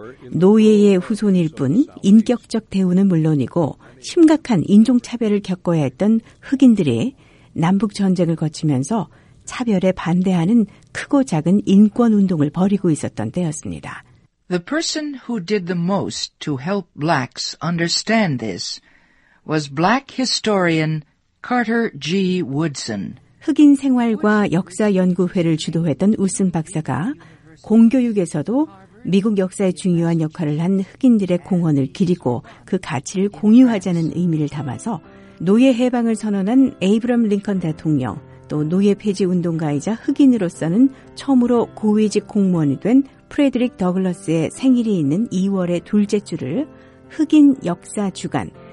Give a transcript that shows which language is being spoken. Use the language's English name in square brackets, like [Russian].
[Korean] 노예의 후손일 뿐 인격적 대우는 물론이고 심각한 인종차별을 겪어야 했던 흑인들이 남북전쟁을 거치면서 차별에 반대하는 크고 작은 인권운동을 벌이고 있었던 때였습니다. [English] The person who did the most to help blacks understand this was black historian Carter G. Woodson. [Korean] 흑인 생활과 역사 연구회를 주도했던 우슨 박사가 공교육에서도 미국 역사에 중요한 역할을 한 흑인들의 공헌을 기리고 그 가치를 공유하자는 의미를 담아서 노예 해방을 선언한 에이브럼 링컨 대통령, 또 노예 폐지 운동가이자 흑인으로서는 처음으로 고위직 공무원이 된 프레드릭 더글러스의 생일이 있는 2월의 둘째 주를 흑인 역사 주간,